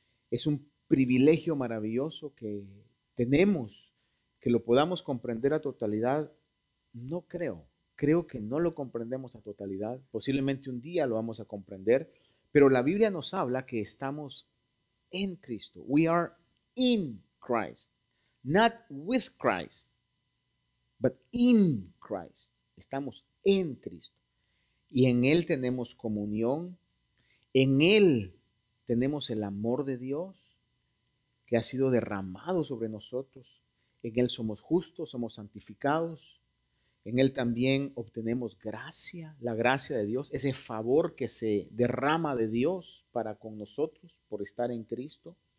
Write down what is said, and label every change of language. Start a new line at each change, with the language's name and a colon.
Spanish: Es un privilegio maravilloso que tenemos, que lo podamos comprender a totalidad. No creo, creo que no lo comprendemos a totalidad. Posiblemente un día lo vamos a comprender, pero la Biblia nos habla que estamos en Cristo.
English: We are in Christ, not with Christ, but in Christ.
Spanish: Estamos en Cristo. Y en Él tenemos comunión, en Él tenemos el amor de Dios que ha sido derramado sobre nosotros, en Él somos justos, somos santificados, en Él también obtenemos gracia, la gracia de Dios, ese favor que se derrama de Dios para con nosotros por estar en Cristo.